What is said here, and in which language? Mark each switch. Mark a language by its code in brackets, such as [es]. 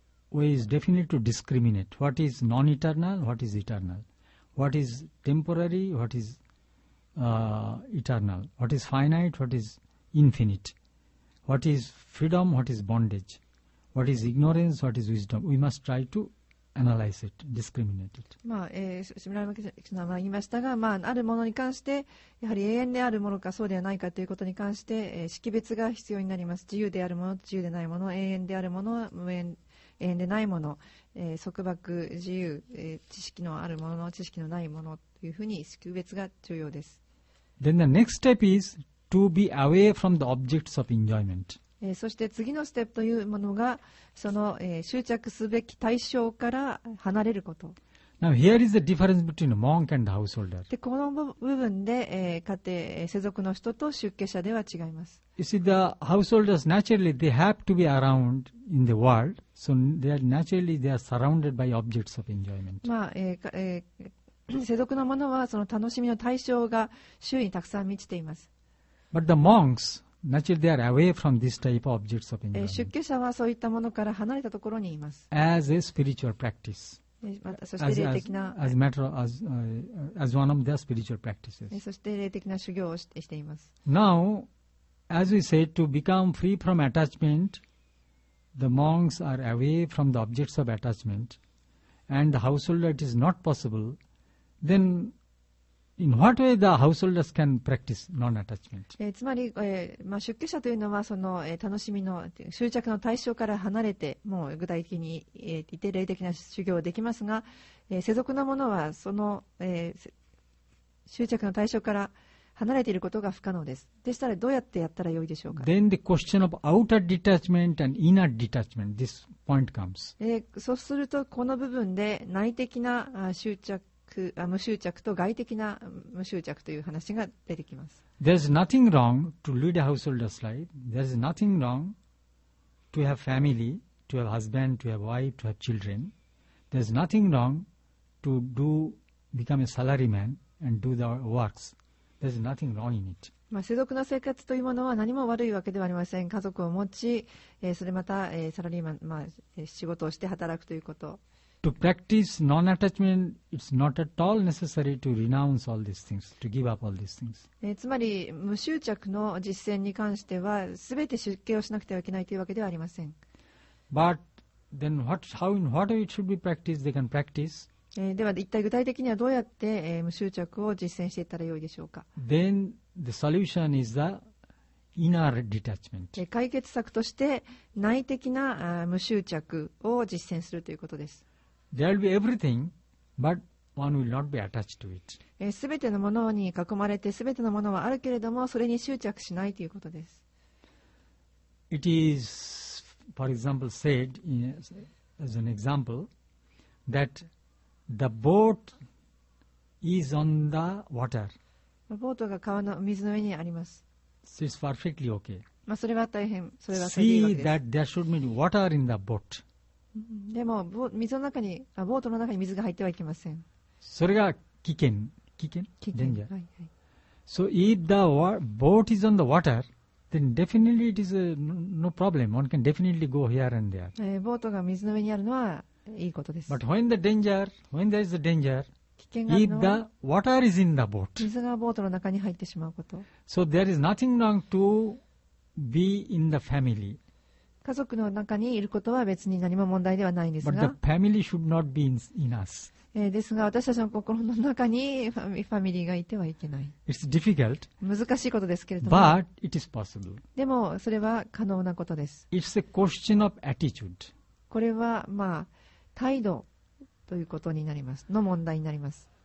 [en] We is definitely to discriminate what is non-eternal, what is eternal, what is temporary, what is eternal, what is finite, what is infinite, what is freedom, what is bondage, what is ignorance, what is wisdom. We must try to analyze it, discriminate it. [ja] まあ、シムラマキシナは言いましたが、まあ、あるものに関してやはり永遠であるものかそうではないかということに関して、識別が必要になります。自由であるもの、自由でないもの、永遠であるもの、無縁縁でないもの、束縛、自由、知識のあるものの知識のないものというふうに識別が重要です。 [en] Then the next step is to be away from the objects of enjoyment. [ja] そして次のステップというものがその、執着すべき対象から離れること。 [en] Now here is the difference between monk and householder. [ja] でこの部分で、家庭、世俗の人と出家者では違います。 [en] You see, the householders naturally they have to be around in the world. So they are naturally they are surrounded by objects of enjoyment. [ja] まあ、世俗のものはその楽しみの対象が周囲にたくさん満ちています。 [en] But the monks naturally they are away from this type of objects of enjoyment. [ja] 出家者はそういったものから離れたところにいます。 [en] As a spiritual practice. [ja] またそして霊的な [en] as one of their spiritual practices. [ja] そして霊的な修行をしています。 [en] Now, as we said, to become free from attachment. The monks are away from the objects of attachment, and the householder is not possible. Then, in what way the householders can practice non-attachment? [ja] つまり、まあ、出家者というのはその、楽しみの執着の対象から離れて、もう具体的に、一定霊的な修行をできますが、世俗のものはその、執着の対象から離れていることが不可能です。でしたらどうやってやったらよいでしょうか。 [en] Then the question of outer detachment and inner detachment, this point comes. [ja] そうするとこの部分で内的な執着、無執着と外的な無執着という話が出てきます。 [en] There's nothing wrong to lead a householder's life. There's nothing wrong to have family, to have husband, to have wife, to have children. There's nothing wrong to do, become a salaryman and do the works. There's nothing wrong in it. [ja] まあ、世俗の生活というものは何も悪いわけではありません。家族を持ち、それまた、サラリーマン、まあ、仕事をして働くということ。 [en] To practice non-attachment, it's not at all necessary to renounce all these things, to give up all these things. [ja] つまり無執着の実践に関しては、すべて出家をしなくてはいけないというわけではありません。 [en] But then, how it should be practiced? They can practice. [ja] では一体具体的にはどうやって、無執着を実践していったらよいでしょうか。 [en] Then the solution is the inner detachment. [ja] 解決策として内的な無執着を実践するということです。 [en] There will be everything, but one will not be attached to it. [ja] すべてのものに囲まれて、すべてのものはあるけれども、それに執着しないということです。 [en] It is, for example, said as an example that the boat is on the water. [ja] ボートが川の水の上にあります。 [en] So it's perfectly okay. [ja] まあ、それは大変、それはいいわけです。 [en] See that there should be water in the boat. [ja] でも水の中にボートの中に水が入ってはいけません。それが危険、危険、はいはい。 [en] So if the boat is on the water, then definitely it is no problem. One can definitely go here and there. [ja] ボートが水の上にあるのはいいことです。 [en] But when there is a danger, [ja] 危険があるの [en] if the water is in the boat, [ja] 水がボートの中に入ってしまうこと。 [en] So there is nothing wrong to be in the family. [ja] 家族の中にいることは別に何も問題ではないんですが、 [en] But the family should not be in us. [ja] ですが私たちの心の中にファミリーがいてはいけない。 [en] It's difficult. [ja] 難しいことですけれども、 [en] But it is possible. [ja] でもそれは可能なことです。 [en] It's a question of attitude. [ja] これはまあ態度ということになりますの問題になります。